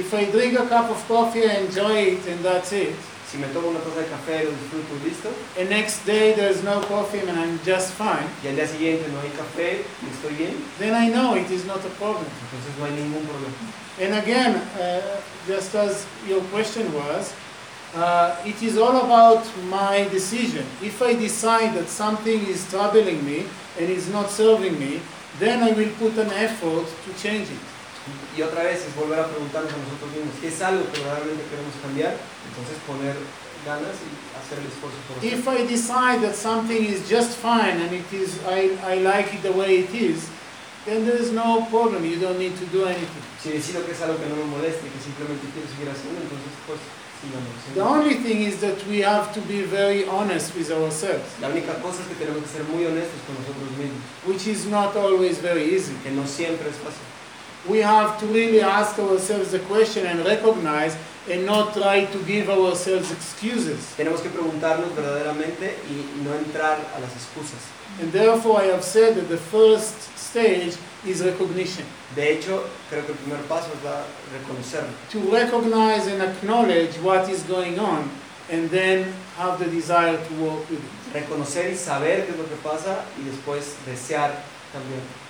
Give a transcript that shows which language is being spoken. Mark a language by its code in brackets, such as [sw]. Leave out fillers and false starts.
[en] If I drink a cup of coffee, I enjoy it and that's it. [es] Si me tomo una taza de café, lo disfruto, listo. [en] The next day there is no coffee and I'm just fine. [es] Y al día siguiente no hay café, y estoy bien. [en] Then I know it is not a problem. [es] Entonces no hay ningún problema. [en] And again, just as your question was, It is all about my decision. If I decide that something is troubling me and is not serving me, then I will put an effort to change it. [es] Y otra vez es volver a preguntarnos a nosotros mismos, ¿qué es algo que realmente queremos cambiar? Entonces poner ganas y hacer el esfuerzo por eso. [en] If I decide that something is just fine and it is I like it the way it is, then there is no problem. You don't need to do anything. [es] Si decido que es algo que no me moleste y que simplemente quiero seguir haciendo, entonces pues sigamos. [en] The only thing is that we have to be very honest with ourselves. [es] La única cosa es que tenemos que ser muy honestos con nosotros mismos. [en] Which is not always very easy. [es] Que no siempre es fácil. [en] We have to really ask ourselves the question and recognize and not try to give ourselves excuses. [es] Tenemos que preguntarnos verdaderamente y no entrar a las excusas. [en] And therefore I have said that the first stage is recognition. [es] De hecho, creo que el primer paso es la reconocerlo. [en] To recognize and acknowledge what is going on and then have the desire to work with it. [es] Reconocer y saber qué es lo que pasa y después desear también.